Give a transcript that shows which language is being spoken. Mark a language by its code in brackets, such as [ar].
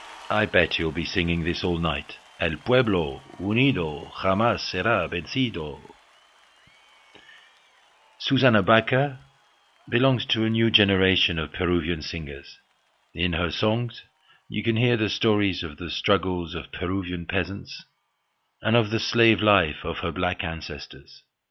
[en] I bet you'll be singing this all night. [es] El pueblo unido jamás será vencido. [en] Susana Baca belongs to a new generation of Peruvian singers. In her songs, you can hear the stories of the struggles of Peruvian peasants and of the slave life of her black ancestors.